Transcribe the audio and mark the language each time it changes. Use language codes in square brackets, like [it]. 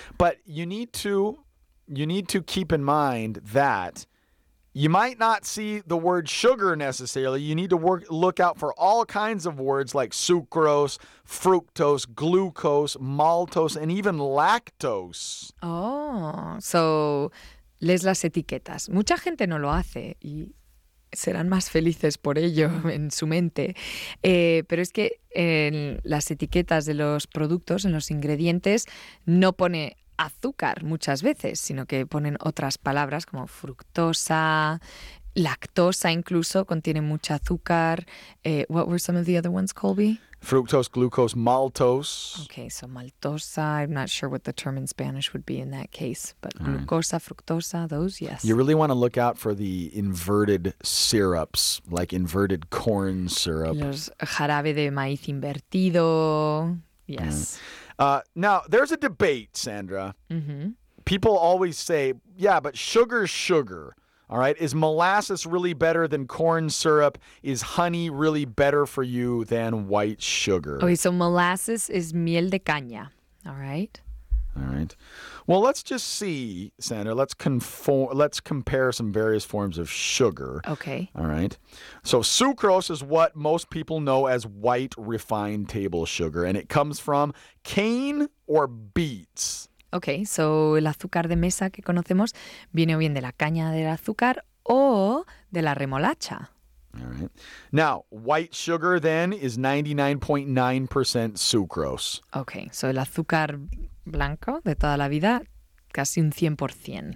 [en] But you need to keep in mind that you might not see the word sugar necessarily. You need to look out for all kinds of words like sucrose, fructose, glucose, maltose, and even lactose. [es] Oh, so lees las etiquetas. Mucha gente no lo hace y serán más felices por ello en su mente. Pero es que en las etiquetas de los productos, en los ingredientes, no pone azúcar muchas veces, sino que ponen otras palabras como fructosa, lactosa incluso, contiene mucho azúcar. [en] What were some of the other ones, Colby? Fructose, glucose, maltose. Okay, so maltosa, I'm not sure what the term in Spanish would be in that case, but all glucosa, right. Fructosa, those, yes. You really want to look out for the inverted syrups, like inverted corn syrup. [es] Los jarabe de maíz invertido, yes. [en] Mm. Now, there's a debate, Sandra. Mm-hmm. People always say, yeah, but sugar's sugar. All right. Is molasses really better than corn syrup? Is honey really better for you than white sugar? Okay, so molasses is [es] miel de caña. [en] All right. All right. Well, let's just see, Sandra. Let's compare some various forms of sugar. Okay. All right. So sucrose is what most people know as white refined table sugar, and it comes from cane or beets. [es] Okay, so el azúcar de mesa que conocemos viene o bien de la caña del azúcar o de la remolacha. [en] All right. Now, white sugar then is 99.9% sucrose. [es] Okay, so el azúcar blanco de toda la vida, casi un 100%.